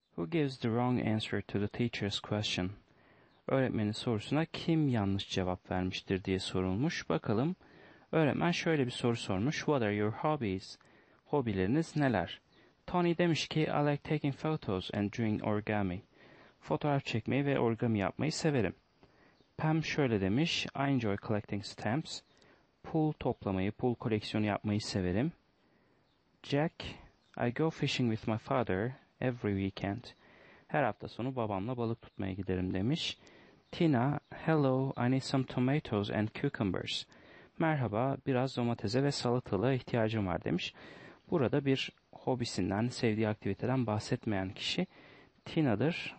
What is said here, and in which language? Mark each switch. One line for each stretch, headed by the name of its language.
English: gives the wrong answer to the teacher's question?
Turkish: Öğretmenin sorusuna kim yanlış cevap vermiştir diye sorulmuş. Bakalım. Öğretmen şöyle bir soru sormuş.
English: What are your hobbies?
Turkish: Hobileriniz neler? Tony demiş ki
English: I like taking photos and doing origami.
Turkish: Fotoğraf çekmeyi ve origami yapmayı severim. Pam şöyle demiş.
English: I enjoy collecting stamps.
Turkish: Pul toplamayı, pul koleksiyonu yapmayı severim.
English: Jack, I go fishing with my father every weekend.
Turkish: Her hafta sonu babamla balık tutmaya giderim demiş.
English: Tina, hello, I need some tomatoes and cucumbers.
Turkish: Merhaba, biraz domatese ve salatalığa ihtiyacım var demiş. Burada bir hobisinden, sevdiği aktiviteden bahsetmeyen kişi Tina'dır.